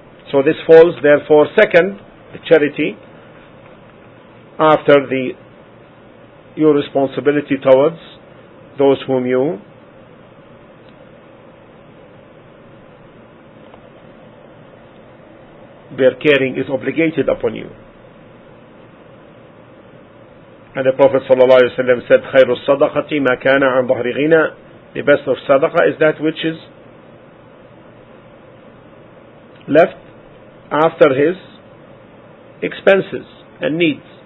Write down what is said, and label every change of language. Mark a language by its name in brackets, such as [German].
[English] So this falls therefore second, the charity, after the your responsibility towards those whom you their caring is obligated upon you. And the Prophet ﷺ said, [Arabic] خَيْرُ الصَّدَقَةِ مَا كَانَ عَنْ ظَهْرِ غِنَى. [English] The best of sadaqah is that which is left after his expenses and needs.